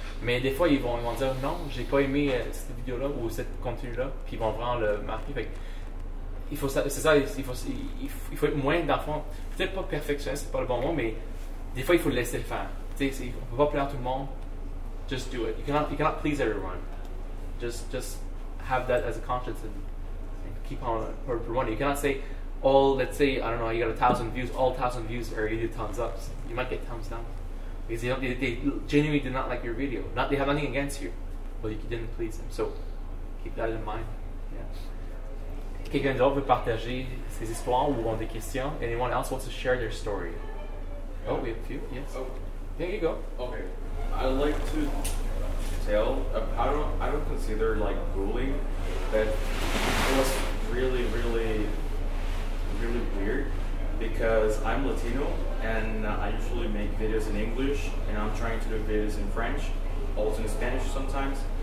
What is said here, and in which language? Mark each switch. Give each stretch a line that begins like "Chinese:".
French: Mais des fois, ils vont dire non, j'ai pas aimé cette vidéo-là ou cette contenu-là, puis ils vont vraiment le marquer. Fait que, il faut être moins d'enfants. Peut-être pas perfectionné, c'est pas le bon mot, mais des fois, il faut le laisser le faire. T'sais, on peut pas plaire à tout le monde.
English: Just do it. You cannot please everyone. Just have that as a conscience and keep on running. You cannot say, all, let's say, I don't know, you got 1,000 views, all 1,000 views are you do thumbs up. So you might get thumbs down. Because they genuinely did not like your video. Not they have nothing against you, but you didn't please them. So keep that in mind. Yeah.
French: Quelqu'un d'autre veut partager ses histoires ou ont des questions?
English: Anyone else wants to share their story? Yeah. Oh, we have a few, yes. Oh. There you go. Okay. I like to tell, I don't consider like bullying, but it was really, really, really weird because I'm Latino and I usually make videos in English, and I'm trying to do videos in French, also in Spanish sometimes.